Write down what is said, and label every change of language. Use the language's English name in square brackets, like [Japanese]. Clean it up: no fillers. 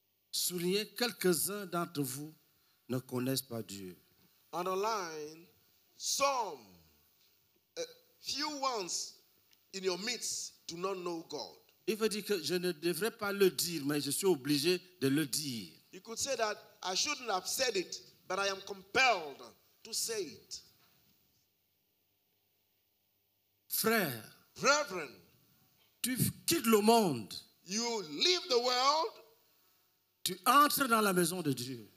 [French] Soulignez, quelques-uns d'entre vous ne connaissent pas Dieu. [English] On the line, some, a few ones in your midst do not know God. [French] Il veut dire que je ne devrais pas le dire, mais je suis obligé de le dire. [English] You could say that I shouldn't have said it, but I am compelled to say it. [French] Frère, [English] brethren, [French] Tu quittes le monde. [English] You leave the world. [French] Tu entres dans la maison de Dieu.